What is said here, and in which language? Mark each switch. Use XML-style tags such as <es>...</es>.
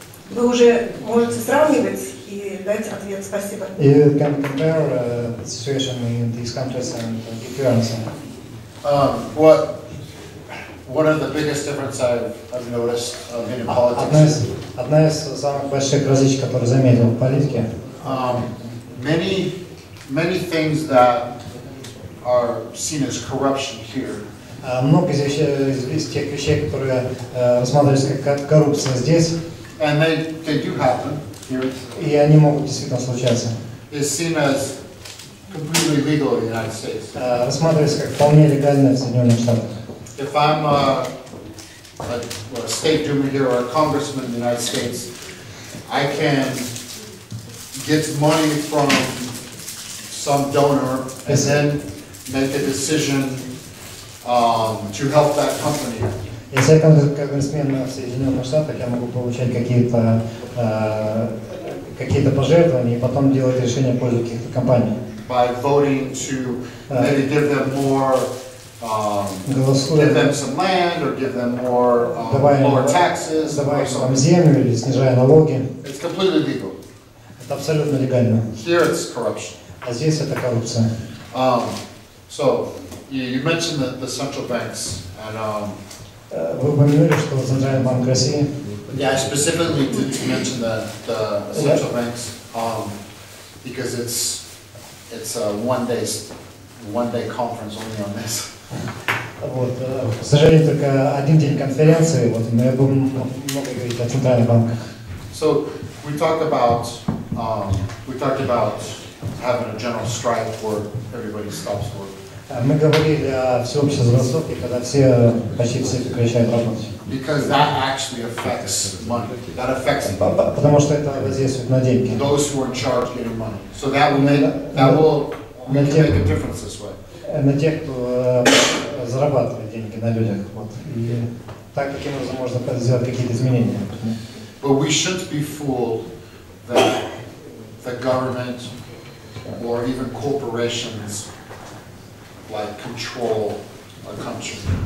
<ru>Вы уже можете сравнивать? Дайте ответ. Спасибо.</ru> <en>You can compare the situation in these countries and give your answer. What are the biggest differences I've noticed in politics?</en> <ru>Одна из самых больших различий, которые заметил в политике.</ru> <en>Many things that are seen as corruption here.</en> <ru>Много из тех вещей, которые рассматриваются как коррупция здесь.</ru> <en>And they do happen.</en> <ru>И они могут действительно случаться.</ru> <en>It's seen as completely legal in the United States.</en> <ru>Рассматривается как вполне легально в Соединенных Штатах.</ru> <en>If I'm a state duma here or a congressman in the United States, I can get money from some donor and then make a decision to help that company.</en> <ru>Если я конгрессмен в Соединенных Штатах, я могу получать какие-то пожертвования и потом делать решение в пользу каких-то компаний.</ru> <en>By voting to maybe give them more, give them some land or give them more, lower taxes.</en> <ru>Давай им землю или снижая налоги.</ru> <en>It's completely legal.</en> <ru>Это абсолютно легально.</ru> <en>Here it's corruption.</en> <ru>А здесь это коррупция.</ru> <en>So you mentioned that the central banks and</en> <ru>Вы упомянули, что Центральный банк России.</ru> <en>Yeah, I specifically didn't mention the central banks, because it's a one day conference only on this.</en> <ru>Вот, к сожалению, только один день конференции. Вот, но я буду много говорить о Центральных банках.</ru> <en>So we talked about having a general strike where everybody stops work.</en> <ru>Мы говорили о всеобщей забастовке, когда почти все прекращают работать.</ru> <en>Because that actually affects money. That affects people.</en> <ru>Потому что это воздействует на деньги.</ru> <en>Those who are in charge get the money. So that will make a difference this way.</en> <ru>На тех, кто зарабатывает деньги на людях. Вот. И так таким образом можно сделать какие-то изменения.</ru> <en>But we shouldn't be fooled that the government or even corporations like control a country.</en>